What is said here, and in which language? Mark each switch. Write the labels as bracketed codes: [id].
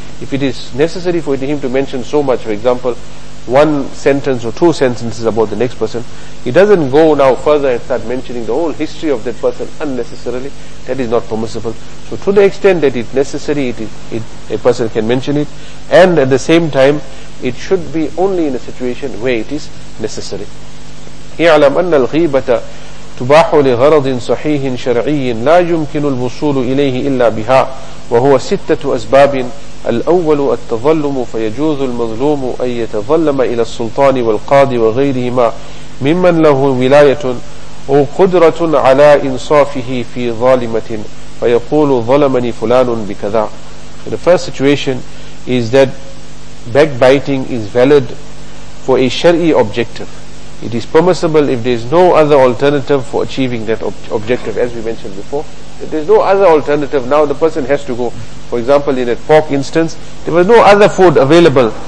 [en] If it is necessary for him to mention so much, for example, one sentence or two sentences about the next person, he doesn't go now further and start mentioning the whole history of that person unnecessarily. That is not permissible. So to the extent that it's necessary, a person can mention it, and at the same time, it should be only in a situation where it is necessary. [ar] اعلم أن الغيبة تباح لغرض صحيح شرعي لا يمكن الوصول إليه إلا بها وهو ستة أسباب الأول التظلم فيجوز المظلوم أن يتظلم إلى السلطان والقاضي وغيرهما ممن له ولاية أو قدرة على إنصافه في ظالمة فيقول ظلمني فلان بكذا. [en] The first situation is that backbiting is valid for a shari'i objective. It is permissible if there is no other alternative for achieving that objective, as we mentioned before. If there is no other alternative, now the person has to go. For example, in a pork instance, there was no other food available.